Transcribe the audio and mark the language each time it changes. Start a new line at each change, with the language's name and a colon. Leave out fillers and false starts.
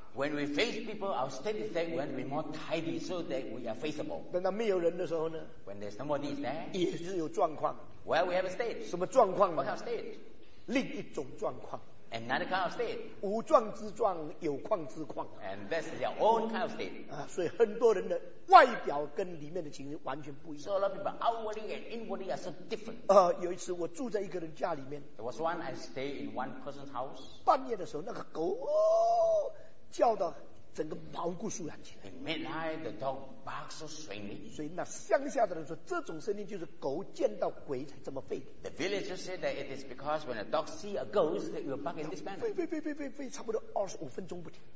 English: When we face people, our state is that we want to be more tidy so that we are faceable.
Chinese: 等到没有人的时候呢?
English: When there's somebody is there,
Chinese: 也是有状况.
English: Well, we have a state.
Chinese: 什么状况呢?
English: What kind of state?
Chinese: 另一种状况.
English: Another kind of state.
Chinese: 无状之状, 有况之况.
English: And that's their own kind of state.
Chinese: 所以很多人的外表跟里面的情形完全不一样.
English: So a lot of people outwardly and inwardly are so different.
Chinese: 有一次我住在一个人家里面.
English: There was one I stayed in one person's house.
Chinese: 半夜的时候那个狗, 叫到整个毛骨悚然起来
English: Midnight, the dog barks so strangely
Chinese: 所以那乡下的人说 这种声音就是狗见到鬼才这么吠
English: The villagers say that it is because when a dog sees a ghost it will bark in this manner
Chinese: 吠吠吠吠吠 差不多25分钟不停